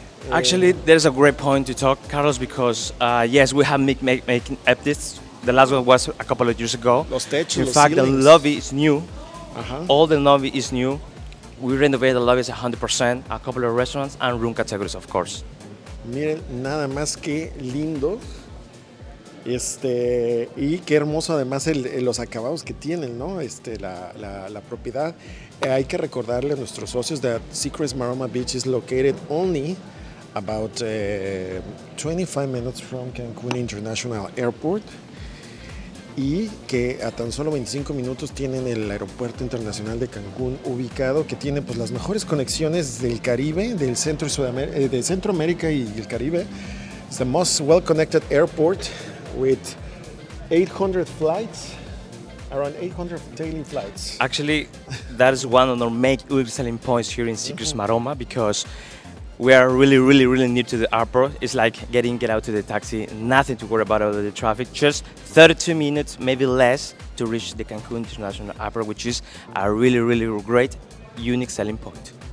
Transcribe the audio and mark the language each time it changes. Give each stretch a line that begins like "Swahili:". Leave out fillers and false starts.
English: Actually, there's a great point to talk, Carlos, because yes, we have making updates. The last one was a couple of years ago.
Spanish: Los techos,
English: in
Spanish: los
English: fact, ceilings. The lobby is new. Uh-huh. All the lobby is new. We renovated the lobby 100%, a couple of restaurants and room categories, of course.
Spanish: Miren, nada más que lindo. Y qué hermoso además los acabados que tienen, ¿no? La propiedad. Hay que recordarle a nuestros socios
English: that Secrets Maroma Beach is located only about 25 minutes from Cancun International Airport.
Spanish: Y que a tan solo 25 minutos tienen el Aeropuerto Internacional de Cancún ubicado, que tiene pues las mejores conexiones del Caribe, del Centro y de Centroamérica y el Caribe.
English: It's the most well-connected airport with 800 flights, around 800 daily flights. Actually, that is one of our main selling points here in Secrets mm-hmm. Maroma, because we are really, really, really near to the airport. It's like get out to the taxi, nothing to worry about other traffic, just 32 minutes, maybe less, to reach the Cancun International Airport, which is a really, really great, unique selling point.